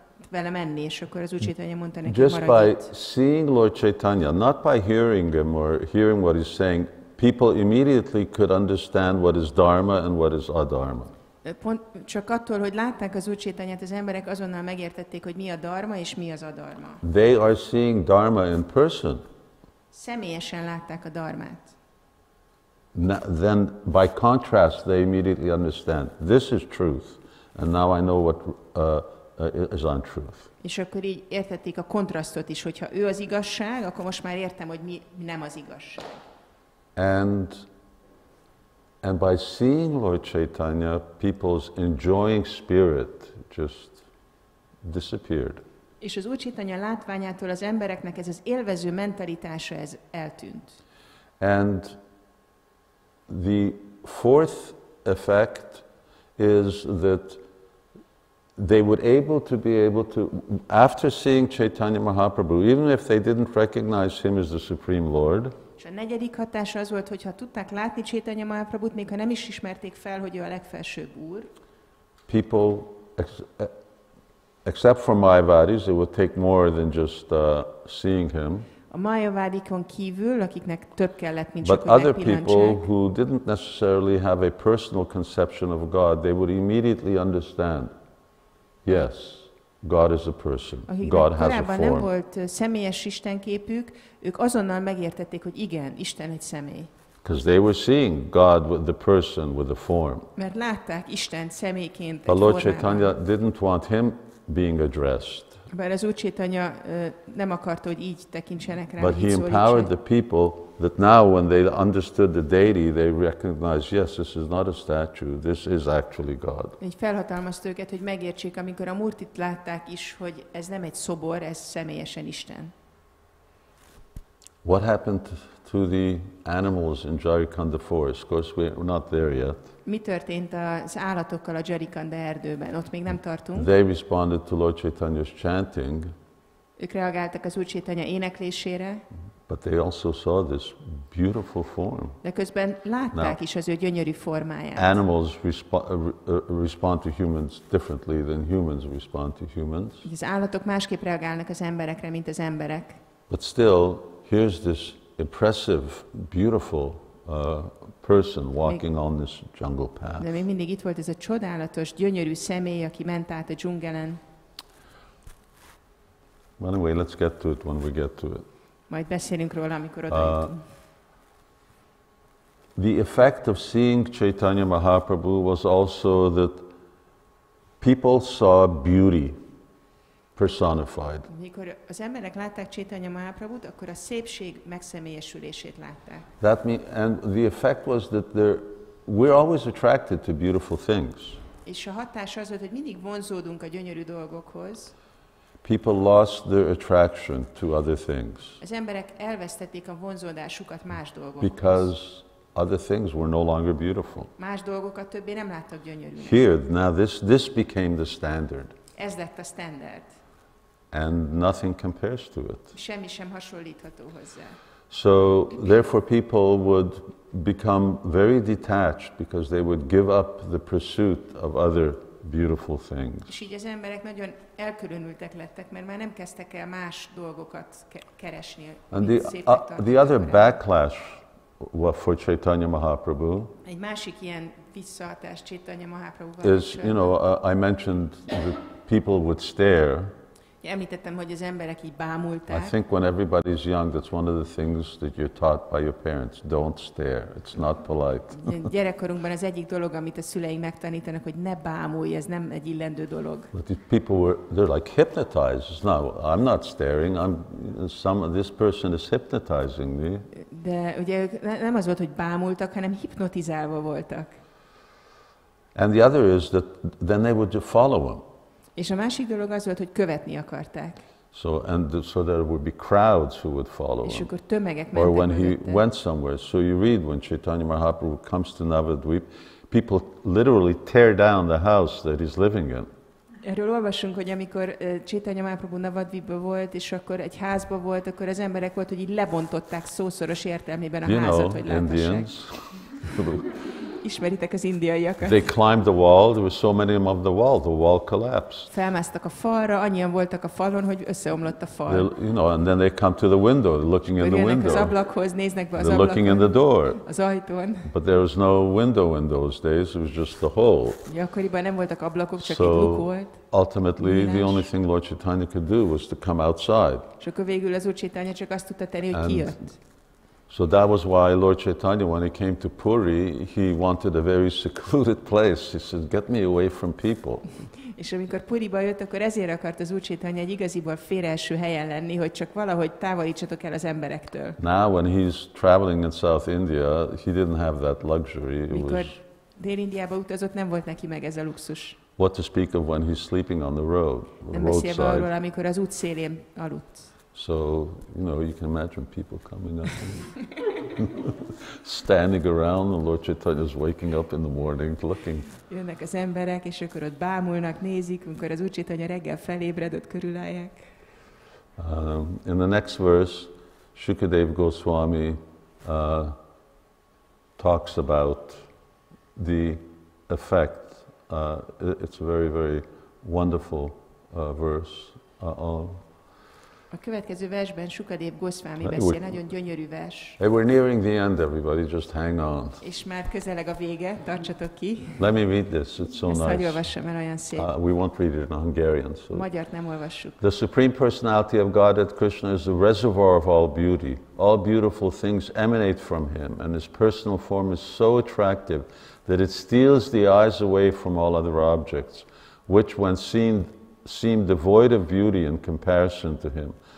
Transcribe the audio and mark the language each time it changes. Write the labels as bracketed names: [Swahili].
[Hungarian] Vele menni, és akkor az Úr Chaitanya mondta neki, [English] just by seeing Lord Chaitanya, not by hearing him or hearing what he's saying, people immediately could understand what is dharma and what is adharma. [Hungarian] Pont csak attól, hogy látták az Úr Chaitanyát, az emberek azonnal megértették, hogy mi a dharma és mi az adharma. [English] They are seeing dharma in person. [Hungarian] Személyesen látták a dharmát. [English] Then by contrast, they immediately understand this is truth, and now I know what is on truth. [Hungarian] És akkor így értették a kontrasztot is, hogyha ő az igazság, akkor most már értem, hogy mi nem az igazság. [English] And by seeing Lord Chaitanya, people's enjoying spirit just disappeared. [Hungarian] És az Úr Chaitanya látványától az embereknek ez az élvező mentalitása ez eltűnt. [English] And the fourth effect is that they would be able to, after seeing Chaitanya Mahaprabhu, even if they didn't recognize him as the Supreme Lord. [Hungarian] És a negyedik hatás az volt, hogyha tudták látni Chaitanya Mahaprabhut, még ha nem is ismerték fel, hogy ő a legfelsőbb úr. [English] People, except for Mayavadis, it would take more than just seeing him. [Hungarian] A Mayavadikon kívül, akiknek több kellett, mint csak [English] But other people who didn't necessarily have a personal conception of God, they would immediately understand. Yes, God is a person. God has a form. [Hungarian] Nem volt személyes istenképük, ők azonnal megértették, hogy igen, Isten egy személy. [English] Because they were seeing God with the person with the form. [Hungarian] Mert látták Istent személyként. [English] But Lord Chaitanya didn't want him being addressed. [Hungarian] Bár az Úr Chaitanya nem akarta, hogy így tekintsenek rá. [English] But he empowered the people that now when they understood the deity, they recognized, yes, this is not a statue, this is actually God. [Hungarian] Így felhatalmazta őket, hogy megértsék, amikor a murtit látták is, hogy ez nem egy szobor, ez személyesen Isten. [English] What happened to the animals in Jharkhand forest? Of course, we're not there yet. [Hungarian] Mi történt az állatokkal a Jharkhanda erdőben? Ott még nem tartunk. [English] They responded to Lord Chaitanya's chanting. [Hungarian] Ők reagáltak az Úr Csaitanya éneklésére. [English] But they also saw this beautiful form. [Hungarian] De közben látták is az ő gyönyörű formáját. [English] Animals respond to humans differently than humans respond to humans. [Hungarian] Az állatok másképp reagálnak az emberekre, mint az emberek. [English] But still, here's this impressive, beautiful person walking on this jungle path. [Hungarian] De még mindig itt volt ez a csodálatos, gyönyörű személy, aki ment át a dzsungelen. [English] Anyway, let's get to it when we get to it. [Hungarian] Majd beszélünk róla, amikor odaértünk. [English] The effect of seeing Chaitanya Mahaprabhu was also that people saw beauty personified. [Hungarian] Amikor az emberek látták Chaitanya Mahaprabhut, akkor a szépség megszemélyesülését látták. [English] That mean, and the effect was that there, we're always attracted to beautiful things. [Hungarian] És a hatás az volt, hogy mindig vonzódunk a gyönyörű dolgokhoz. [English] People lost their attraction to other things. [Hungarian] Az emberek elvesztették a vonzódásukat más dolgokhoz. [English] Because other things were no longer beautiful. [Hungarian] Más dolgokat többé nem láttak gyönyörűnek. [English] Here, now this became the standard. [Hungarian] Ez lett a standard. [English] And nothing compares to it. [Hungarian] Semmi sem hasonlítható hozzá. [English] So therefore people would become very detached because they would give up the pursuit of other beautiful things. [Hungarian] És így az emberek nagyon elkülönültek lettek, mert már nem kezdtek el más dolgokat keresni. [English] And the other backlash for Chaitanya Mahaprabhu. [Hungarian] Egy másik ilyen visszahatás Chaitanya Mahaprabhuval. [English] Is, you know, I mentioned that people would stare. [Hungarian] Említettem, hogy az emberek így bámulták. [English] I think when everybody's young, that's one of the things that you're taught by your parents. Don't stare. It's not polite. [Hungarian] Gyerekkorunkban az egyik dolog, amit a szüleink megtanítanak, hogy ne bámulj, ez nem egy illendő dolog. [English] But the people were, they're like hypnotized. It's not, I'm not staring. This person is hypnotizing me. [Hungarian] De ugye nem az volt, hogy bámultak, hanem hipnotizálva voltak. [English] And the other is that then they would just follow him. [Hungarian] És a másik dolog az volt, hogy követni akarták. [English] So there would be crowds who would follow [Hungarian] és [English] him. [Hungarian] És akkor tömegek mentek [English] Or when he went somewhere. So you read when Chaitanya Mahaprabhu comes to Navadvip, people literally tear down the house that he's living in. [Hungarian] Erről olvasunk, hogy amikor Chaitanya Mahaprabhu Navadvipba volt, és akkor egy házba volt, akkor az emberek volt, hogy így lebontották szószoros értelmében a [English] you [Hungarian] házat, [English] know, [Hungarian] hogy [English] Indians. [Hungarian] Ismeritek az indiaiakat. [English] They climbed the wall, there were so many of the wall collapsed. [Hungarian] Felmásztak a falra, annyian voltak a falon, hogy összeomlott a fal. [English] You know, and then they come to the window, looking in the window. [Hungarian] Az ablakhoz, néznek be az ablakon. [English] They're looking in the door. [Hungarian] Az ajtón. [English] But there was no window in those days, it was just the hole. [Hungarian] Akkoriban nem voltak ablakok, csak [English] so, [Hungarian] egy luk volt. [English] Ultimately, the only thing Lord Chaitanya could do was to come outside. [Hungarian] És akkor végül az Úr Chaitanya csak azt tudta tenni, hogy kijött. [English] So that was why Lord Chaitanya, when he came to Puri, he wanted a very secluded place. He said, get me away from people. [Hungarian] És amikor Puriba jött, akkor ezért akart az Úr Chaitanya egy igaziból félelső helyen lenni, hogy csak valahogy távolítsatok el az emberektől. [English] Now when he's traveling in South India, he didn't have that luxury. [Hungarian] Mikor Dél-Indiába utazott, nem volt neki meg ez a luxus. [English] What to speak of when he's sleeping on the road, the roadside. [Hungarian] Nem beszélve arról, amikor az útszélén aludt. [English] So, you know, you can imagine people coming up and standing around and Lord Chaitanya is waking up in the morning looking. [Hungarian] Jönnek az emberek, és akkor ott bámulnak, nézik, amikor az Úr Chaitanya reggel felébred, ott körülállják. [English] In the next verse, Shukadeva Goswami talks about the effect. It's a very, very wonderful verse. [Hungarian] A következő versben Shukadeva Goswami beszél, nagyon gyönyörű vers. [English] Hey, we're nearing the end, everybody, just hang on. [Hungarian] És már közeleg a vége, tartsatok ki. [English] Let me read this, it's so [Hungarian] ezt [English] nice. [Hungarian] Ezt hagyj olvassam, mert olyan szép. [English] We won't read it in Hungarian. So. [Hungarian] Magyart nem olvassuk. [English] The Supreme Personality of Godhead Krishna is the reservoir of all beauty. All beautiful things emanate from him, and his personal form is so attractive that it steals the eyes away from all other objects, which when seen, seem devoid of beauty in comparison to him.